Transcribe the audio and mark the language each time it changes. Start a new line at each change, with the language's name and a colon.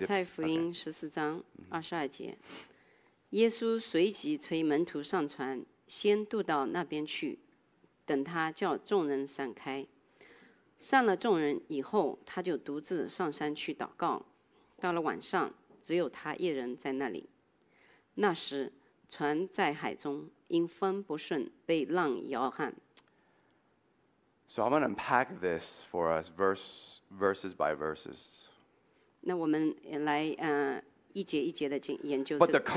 Chinese: 马太福音十四章二十二节，耶稣随即催门徒上船，先渡到那边去，等他叫众人散开。散了众人以后，他就独自上山去祷告。到了晚上，只有他一人在那里。那时，船在海中，因风不顺，被浪摇撼。
English: So I'm going to unpack this for us, verses by verses.
Chinese: 那我们来一节一节的研究这些经